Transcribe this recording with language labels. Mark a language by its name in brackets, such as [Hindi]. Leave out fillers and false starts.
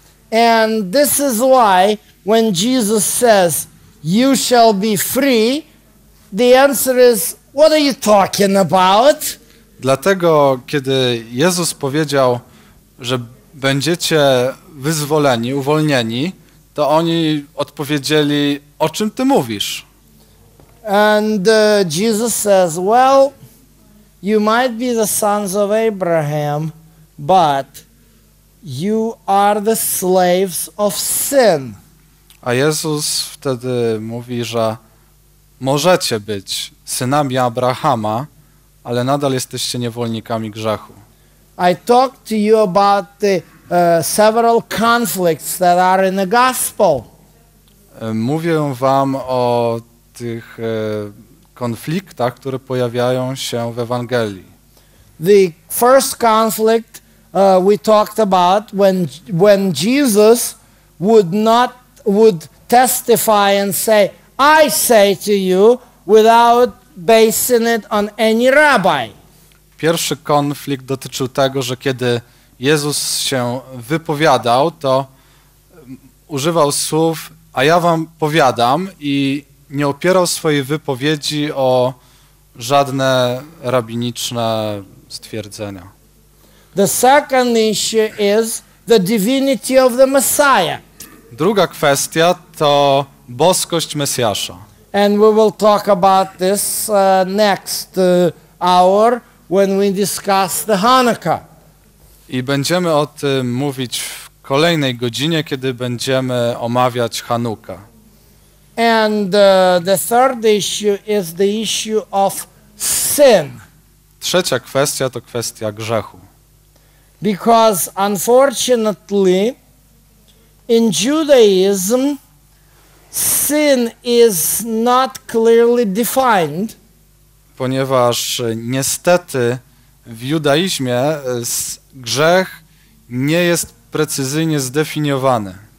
[English] And this is why when Jesus says you shall be free, the answer is, what are you talking about? [Polish] Dlatego, kiedy Jezus powiedział, że będziecie wyzwoleni, uwolnieni, to oni odpowiedzieli, o czym ty mówisz? [English] And Jesus says, well, you might be the sons of Abraham, but you are the slaves of sin. [Polish] A Jezus wtedy mówi, że możecie być synami Abrahama, ale nadal jesteście niewolnikami grzechu. [English] I talked to you about the several conflicts that are in the gospel. [Polish] Mówię wam o tych konfliktach, które pojawiają się w Ewangelii. [English] The first conflict we talked about when Jesus would testify and say, I say to you, without basing it on any rabbi. [Polish] Pierwszy konflikt dotyczył tego, że kiedy Jezus się wypowiadał, to używał słów, a ja wam powiadam, i nie opierał swojej wypowiedzi o żadne rabiniczne stwierdzenia. [English] The second issue is the divinity of the Messiah. [Polish] Druga kwestia to boskość Mesjasza. [English] And we will talk about this next hour when we discuss the Hanukkah. [Polish] I będziemy o tym mówić w kolejnej godzinie, kiedy będziemy omawiać Hanukkę. [English] And the third issue is the issue of sin. [Polish] Trzecia kwestia to kwestia grzechu. [English] Because unfortunately in Judaism sin is not clearly defined. [Polish] Ponieważ niestety w judaizmie grzech nie jest precyzyjnie zdefiniowany.